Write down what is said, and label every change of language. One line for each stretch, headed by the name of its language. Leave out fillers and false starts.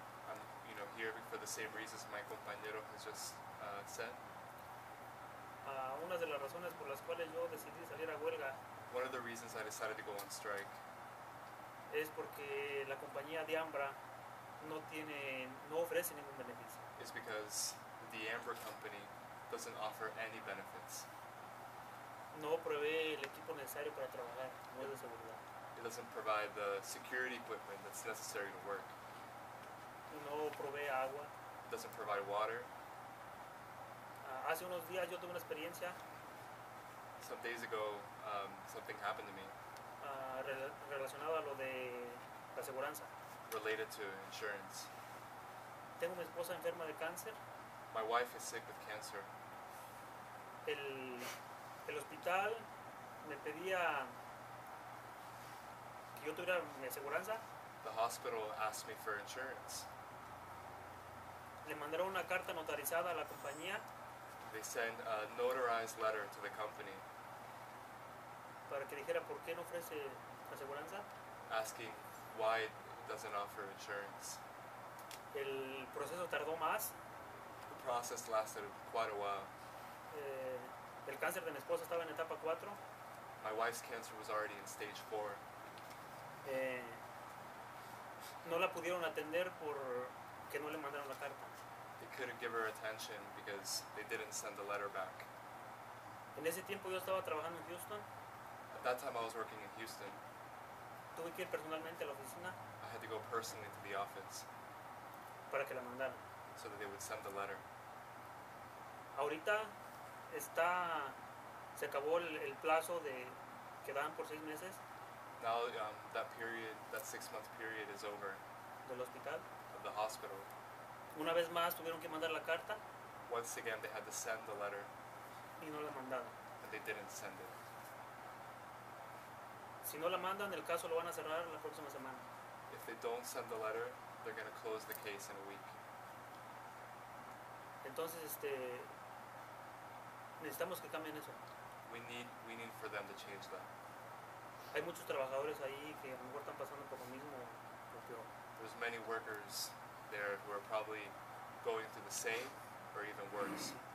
English: I'm, you know, here for the same reasons my compañero has just said.
Spanish: Una de las razones por las cuales yo decidí salir a huelga.
English: One of the reasons I decided to go on strike.
Spanish: Es porque la compañía de Ambra no tiene, no ofrece ningún beneficio.
English: It's because the Ambra company doesn't offer any benefits.
Spanish: No provee el equipo necesario para trabajar, no es de seguridad.
English: It doesn't provide the security equipment that's necessary to work.
Spanish: No provee agua.
English: It doesn't provide water.
Spanish: Hace unos días yo tuve una experiencia.
English: Some days ago, something happened to me.
Spanish: Relacionado a lo de la seguranza.
English: Related to insurance.
Spanish: Tengo mi esposa enferma de cáncer.
English: My wife is sick with cancer.
Spanish: El hospital me pedía que yo tuviera mi aseguranza.
English: The hospital asked me for insurance.
Spanish: Le mandaron una carta notarizada a la compañía.
English: They sent a notarized letter to the company.
Spanish: Para que dijera por qué no ofrece aseguranza.
English: Asking why it doesn't offer insurance.
Spanish: El proceso tardó más.
English: The process lasted quite a while.
Spanish: El cáncer de mi esposa estaba en etapa 4.
English: My wife's cancer was already in stage 4.
Spanish: No la pudieron atender por que no le mandaron la carta.
English: They couldn't give her attention because they didn't send the letter back.
Spanish: En ese tiempo yo estaba trabajando en Houston.
English: At that time I was working in Houston.
Spanish: Tuve que ir personalmente a la oficina.
English: I had to go personally to the office.
Spanish: Para que la mandaran.
English: So that they would send the letter.
Spanish: Ahorita está, se acabó el plazo de que daban por 6 meses.
English: Now that 6 month period is over.
Spanish: Del hospital.
English: Of the hospital.
Spanish: Una vez más tuvieron que mandar la carta.
English: Once again they had to send the letter.
Spanish: Y no la mandaron.
English: And they didn't send it.
Spanish: Si no la mandan, el caso lo van a cerrar la próxima semana.
English: If they don't send the letter, they're going to close the case in a week.
Spanish: Entonces este, necesitamos que cambien eso.
English: We need for them to change that.
Spanish: Hay muchos trabajadores ahí que a lo mejor están pasando por lo mismo o peor.
English: There's many workers there who are probably going through the same or even worse.